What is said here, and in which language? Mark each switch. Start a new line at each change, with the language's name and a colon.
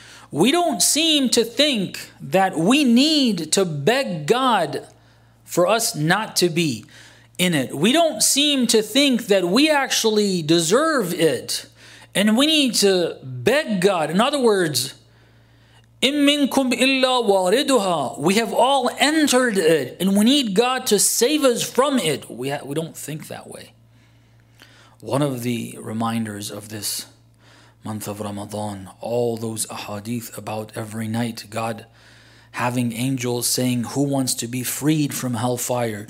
English: We don't seem to think that we need to beg God for us not to be in it. We don't seem to think that we actually deserve it and we need to beg God. In other words,
Arabic: إِن مِنْكُمْ إِلَّا وَارِدُهَا.
English: We have all entered it and we need God to save us from it. We don't think that way. One of the reminders of this month of Ramadan, all those ahadith about every night God having angels saying, who wants to be freed from hellfire?